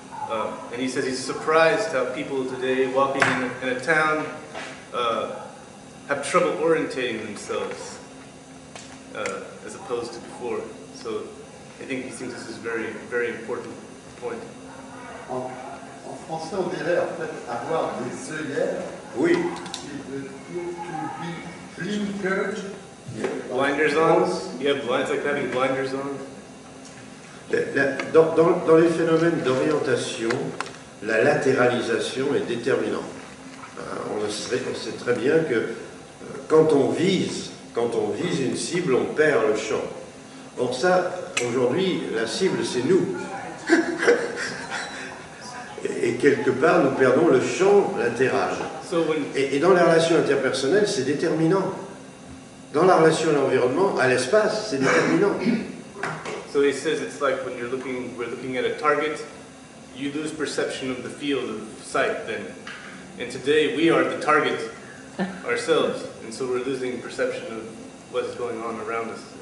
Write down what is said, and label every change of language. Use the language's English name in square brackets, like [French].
[English] And he says he's surprised how people today walking in a town have trouble orientating themselves as opposed to before. So I think he thinks this is a very, very important point. [French] En français, on dirait en fait avoir des œillères. Oui. [English] To be blinkered. Yeah. Blinders on. You have blinds, like having blinders on. [French] Dans les phénomènes d'orientation, la latéralisation est déterminante. On sait très bien que quand on vise une cible, on perd le champ. Or ça, aujourd'hui, la cible, c'est nous. Et quelque part, nous perdons le champ latéral. Et dans la relation interpersonnelle, c'est déterminant. Dans la relation à l'environnement, à l'espace, c'est déterminant. [English] So he says it's like when you're looking, we're looking at a target, you lose perception of the field of sight then. And today, we are the target ourselves. And so we're losing perception of what's going on around us.